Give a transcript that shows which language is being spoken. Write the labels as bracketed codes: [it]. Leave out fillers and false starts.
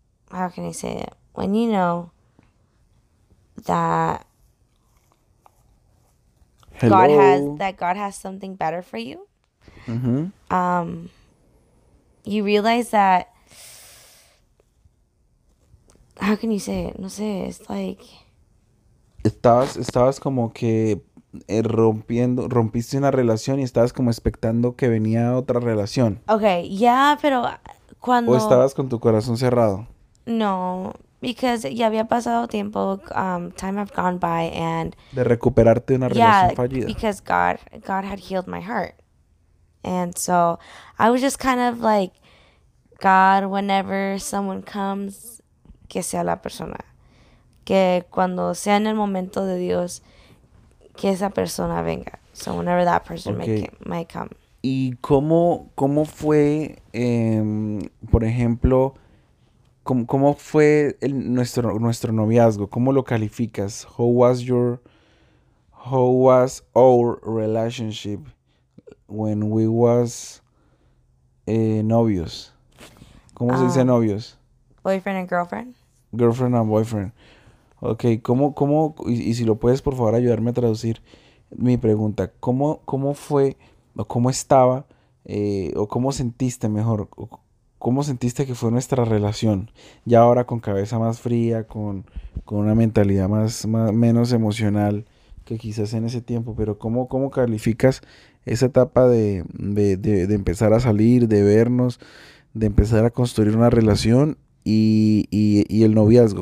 [en] how can I say it? When you know that Hello. God has something better for you, you realize that, how can you say it? [es] No sé, [en] it's like, [es] Estabas como que rompiste una relación y estabas como expectando que venía otra relación. [en] okay, yeah, [es] pero O cuando estabas con tu corazón cerrado. [en] no, because [es] ya había pasado tiempo, [en] time have gone by, and [es] De recuperarte de una relación [en] yeah, [es] fallida. [en] because God had healed my heart, and so I was just kind of like, God, whenever someone comes, [es] que sea la persona, que cuando sea en el momento de Dios, que esa persona venga. [en] So whenever that person Okay. might come. [es] ¿Y cómo fue, por ejemplo, cómo fue nuestro noviazgo? ¿Cómo lo calificas? [en] How was our relationship when we was novios? [es] ¿Cómo se dice novios? [en] Boyfriend and girlfriend. Girlfriend and boyfriend. [es] Okay, y si lo puedes, por favor, ayudarme a traducir mi pregunta. ¿Cómo fue o cómo estaba o cómo sentiste mejor? ¿Cómo sentiste que fue nuestra relación? Ya ahora con cabeza más fría, con una mentalidad menos emocional que quizás en ese tiempo, pero ¿cómo calificas esa etapa de empezar a salir, de vernos, de empezar a construir una relación y el noviazgo?